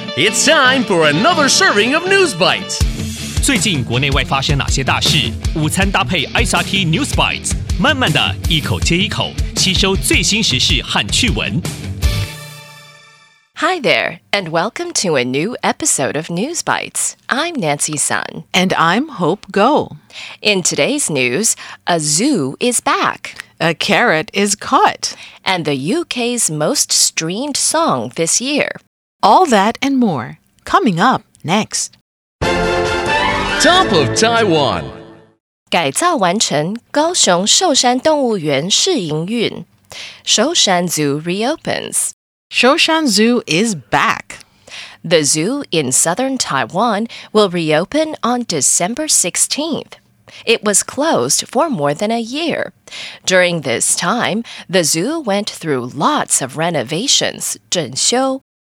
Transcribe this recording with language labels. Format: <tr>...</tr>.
<en>It's time for another serving of News Bites.</en> <zh>最近国内外发生哪些大事？午餐搭配 SRT News Bites， 慢慢的一口接一口，吸收最新时事和趣闻。</zh> <en>Hi there, and welcome to a new episode of News Bites. I'm Nancy Sun. And I'm Hope Go. In today's news, a zoo is back. A carrot is caught. And the UK's most streamed song this year. All that and more, coming up next. Top of Taiwan.</en> <zh>改造完成高雄壽山動物園試營運。</zh> <en>Shoushan Zoo Reopens. Shoushan Zoo is back. The zoo in southern Taiwan will reopen on December 16th. It was closed for more than a year. During this time, the zoo went through lots of renovations, 整修.</en>